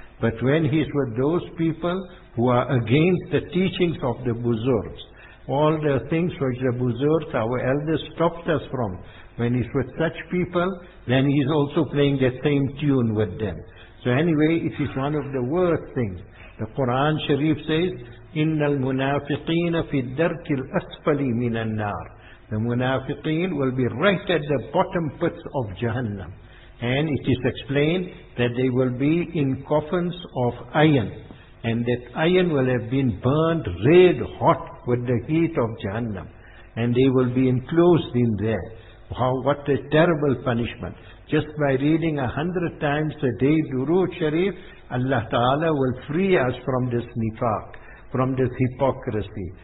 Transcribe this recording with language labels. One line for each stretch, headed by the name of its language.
English: But when he's with those people who are against the teachings of the buzurgs, all the things which the buzurgs, our elders, stopped us from, when he's with such people, then he's also playing the same tune with them. So anyway, it is one of the worst things. The Quran Sharif says,
Arabic: إِنَّ الْمُنَافِقِينَ فِي الدَّرْكِ الْأَسْفَلِ مِنَ النَّارِ.
English: The munafiqeen will be right at the bottom pits of Jahannam. And it is explained that they will be in coffins of iron, and that iron will have been burned red hot with the heat of Jahannam, and they will be enclosed in there. What a terrible punishment. Just by reading 100 times a day Durood Sharif, Allah Ta'ala will free us from this nifaq, from this hypocrisy.